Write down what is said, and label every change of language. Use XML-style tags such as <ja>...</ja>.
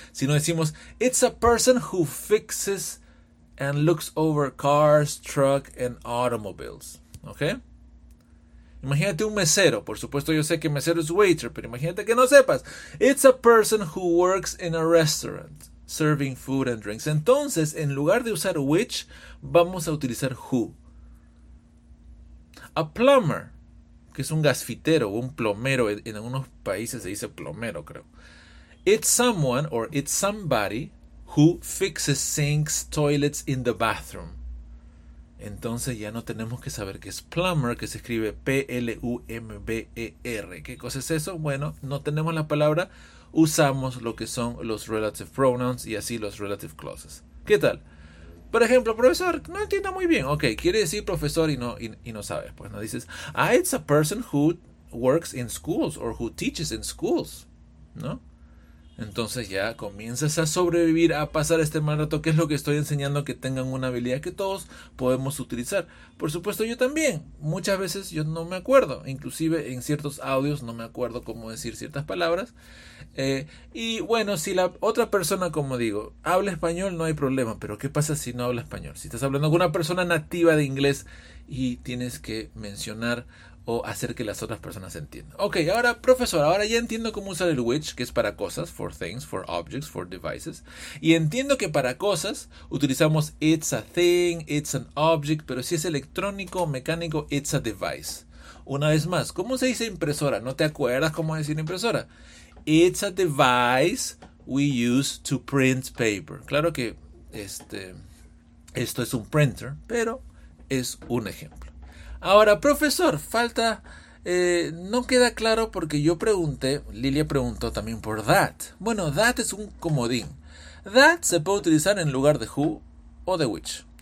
<es>Sino decimos,</es> <en>it's a person who fixes and looks over cars, truck, and automobiles.</en> <es>¿Ok? Imagínate un mesero. Por supuesto, yo sé que mesero es waiter, pero imagínate que no sepas.</es> <en>It's a person who works in a restaurant, serving food and drinks.</en> <es>Entonces, en lugar de usar which, vamos a utilizar who. A plumber. Que es un gasfitero o un plomero. En algunos países se dice plomero, creo.</es> <en>It's someone or it's somebody who fixes sinks, toilets in the bathroom.</en> <es>Entonces ya no tenemos que saber qué es plumber, que se escribe P-L-U-M-B-E-R. ¿Qué cosa es eso? Bueno, no tenemos la palabra. Usamos lo que son los relative pronouns y así los relative clauses. ¿Qué tal? Por ejemplo, profesor, no entiendo muy bien. Ok, quiere decir profesor y no sabes. Pues no dices,</es> <en>it's a person who works in schools or who teaches in schools.</en> <es>¿No? Entonces ya comienzas a sobrevivir, a pasar este mal rato, que es lo que estoy enseñando, que tengan una habilidad que todos podemos utilizar. Por supuesto, yo también. Muchas veces yo no me acuerdo. Inclusive en ciertos audios no me acuerdo cómo decir ciertas palabras. Y bueno, si la otra persona, como digo, habla español, no hay problema. Pero ¿qué pasa si no habla español? Si estás hablando con una persona nativa de inglés y tienes que mencionar o hacer que las otras personas entiendan. Ok, ahora, profesor, ahora ya entiendo cómo usar el which, que es para cosas,</es> <en>for things, for objects, for devices.</en> <es>Y entiendo que para cosas utilizamos</es> <en>it's a thing, it's an object,</en> <es>pero si es electrónico o mecánico,</es> <en>it's a device.</en> <es>Una vez más, ¿cómo se dice impresora? ¿No te acuerdas cómo decir impresora?</es> <en>It's a device we use to print paper.</en> <es>Claro que esto es un printer, pero es un ejemplo. Ahora, profesor, falta, no queda claro porque yo pregunté, Lilia preguntó también por that. Bueno, that es un comodín. That se puede utilizar en lugar de who o de which.</es>